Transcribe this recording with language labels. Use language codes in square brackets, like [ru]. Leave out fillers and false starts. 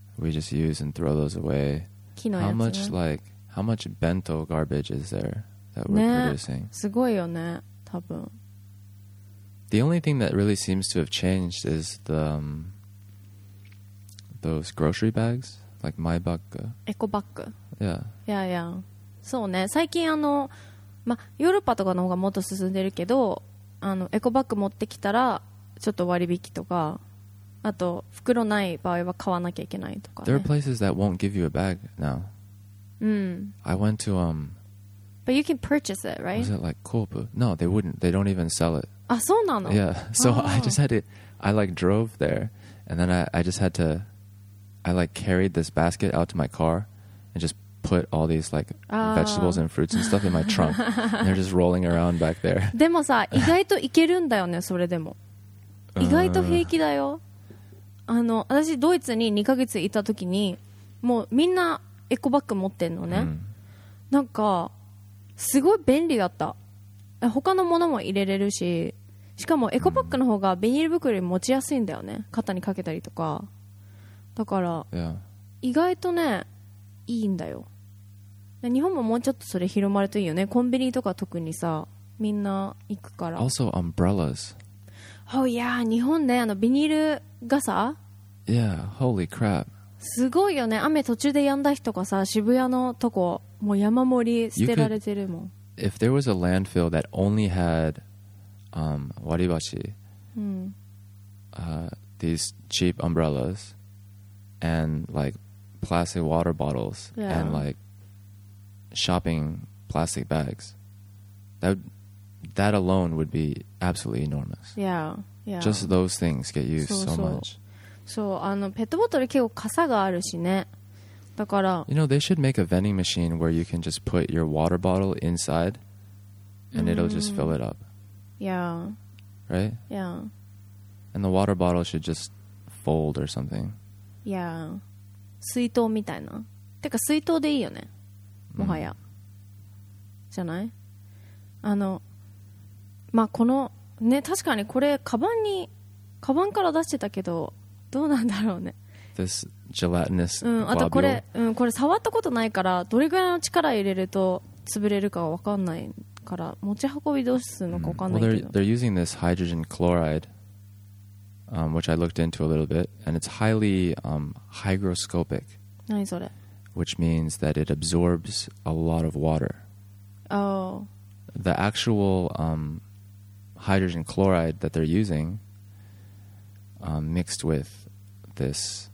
[en] We just use and throw those awayHow much, like, how much bento garbage is there that we're、 [ja] ね、 [en] producing? [ja] すごいよね、多分。 [en] The only thing that really seems to have changed is the、those grocery bags, like my bag. [ja] エコバッグ。 [en] Yeah. Yeah, yeah. [ja] そうね、最近あの、ま、ヨーロッパとかの方がもっと進んでるけど、あのエコバッグ持ってきたらちょっと割引とか、あと袋ない場合は買わなきゃいけないとか、ね、 [en] There are places that won't give you a bag now、 mm. I went to、 But you can purchase it, right? Was it like Coop? No, they wouldn't. They don't even sell it. [ja] あ、そうなの? [en] Yeah, so、oh. I just had to I like drove there And then I just had to I like carried this basket out to my car And just put all these like、vegetables and fruits and stuff in my trunk And they're just rolling around back there [ja] でもさ、意外といけるんだよね、それでも意外と平気だよ。あの私ドイツに2ヶ月いた時にもうみんなエコバッグ持ってんのね、うん、なんかすごい便利だった。他のものも入れれるし、しかもエコバッグの方がビニール袋より持ちやすいんだよね、肩にかけたりとか。だから、 [en] yeah. [ja] 意外とねいいんだよ。日本ももうちょっとそれ広まるといいよね。コンビニとか特にさみんな行くから。 [en] Also umbrellas. Oh yeah, [ja] 日本ねあのビニールガサ? [en] Yeah, holy crap. [ja] すごいよね。雨途中でやんだ日とかさ、渋谷のとこもう山盛り捨てられてるもん。 [en] If there was a landfill that only had 割り箸、 [ja] うん、 [en] these cheap umbrellas and like plastic water bottles、 yeah. and like shopping plastic bags, that alone would be absolutely enormous. Yeah. Yeah. Just those things get used so, so, so. much. [ja] So, あのペットボトル結構かさがあるしね。だから、 [en] you know, they should make a vending machine where you can just put your water bottle inside, and、mm. it'll just fill it up. Yeah. Right. Yeah. And the water bottle should just fold or something. [ja] Yeah. 水筒みたいな。てか水筒でいいよね。もはや。じゃない？あの、まあこの。ね、確かにこれカバンから出してたけどどうなんだろうね。 [en] This gelatinous、 [ja] うん、あとこれ、うん、これ触ったことないからどれぐらいの力入れると潰れるかわかんないから、持ち運びどうするのかわかんないけど。 [en] Well, they're using this hydrogen chloride, which I looked into a little bit, and it's highly hygroscopic. [ja] 何それ [en] ？Which means that it absorbs a lot of water. Oh. The actual hydrogen chloride that they're using mixed with this